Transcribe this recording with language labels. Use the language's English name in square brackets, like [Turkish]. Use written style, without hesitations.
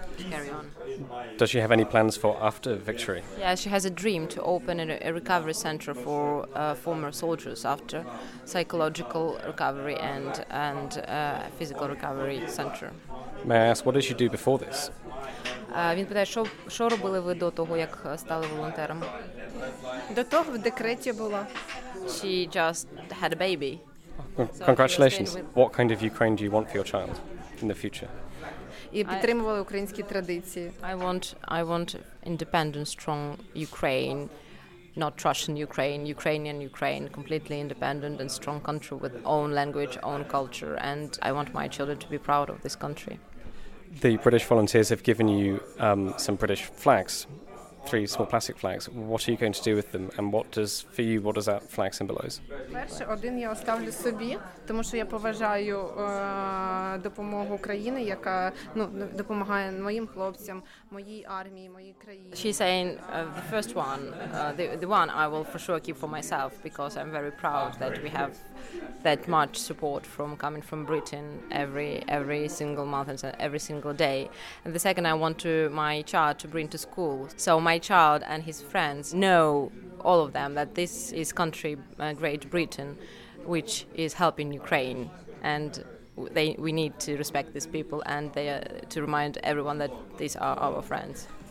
[English] Carry on. Does she have any plans for after victory? Yeah, she has a dream to open a recovery center for former soldiers after psychological recovery and physical recovery center. May I ask, what did she do before this? [Ukrainian] Він питає, що робили ви до того, як стали волонтером? До того в декреті була. [English] She just had a baby. Congratulations. What kind of Ukraine do you want for your child in the future? [Ukrainian] І підтримували українські традиції. [English] I want independent, strong Ukraine, not Russian Ukraine, Ukrainian Ukraine, completely independent and strong country with own language, own culture, and I want my children to be proud of this country. The British volunteers have given you some British flags, three small plastic flags. What are you going to do with them, and what does that flag symbolize? [Ukrainian] Перше, один я оставлю собі, тому що я поважаю допомогу України, яка, ну, допомагає моїм хлопцям, моїй армії, моїй країні. [English] She's saying the first one, the one I will for sure keep for myself because I'm very proud that we have that much support from coming from Britain every single month and every single day. And the second I want to my child to bring to school. So my child and his friends know, all of them, that this is country Great Britain, which is helping Ukraine, and we need to respect these people and they are to remind everyone that these are our friends.